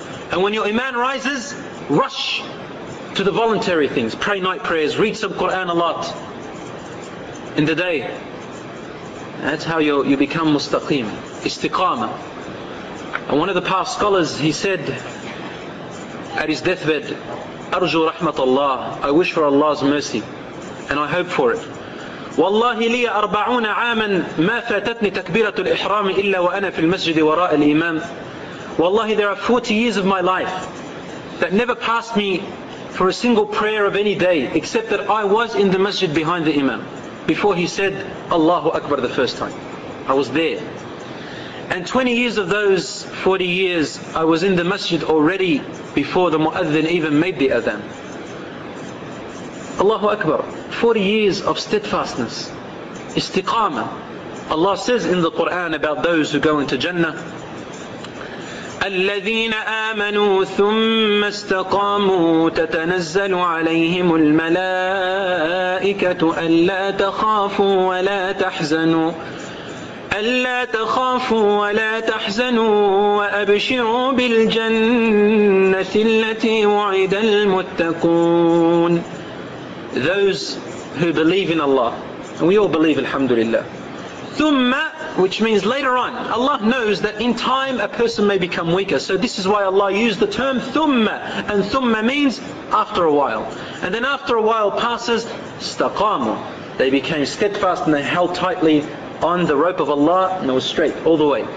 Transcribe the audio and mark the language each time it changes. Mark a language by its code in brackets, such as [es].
[en] And when your iman rises, rush to the voluntary things, pray night prayers, read some Quran a lot in the day. That's how you become mustaqim, istiqama. And one of the past scholars, he said at his deathbed, [ar] أرجو رحمة الله, [en] I wish for Allah's mercy and I hope for it. [ar] والله لي 40 عاما ما فاتتني تكبيرة الإحرام إلا وأنا في المسجد وراء الإمام. [en] والله, there are 40 years of my life that never passed me for a single prayer of any day, except that I was in the masjid behind the imam, before he said, Allahu Akbar the first time. I was there. And 20 years of those 40 years, I was in the masjid already before the muadhin even made the adhan. Allahu Akbar, 40 years of steadfastness, istiqamah. Allah says in the Quran about those who go into Jannah, [ar] الذين آمنوا ثم استقاموا تتنزل عليهم الملائكة ألا تخافوا ولا تحزنوا ألا تخافوا ولا تحزنوا وأبشروا بالجنة التي وعد المتقون. [en] Those who believe in Allah, and we all believe, alhamdulillah. ثم, which means later on. Allah knows that in time a person may become weaker. So this is why Allah used the term ثم. And ثم means after a while. And then after a while passes, استقاموا. They became steadfast and they held tightly on the rope of Allah and it was straight all the way.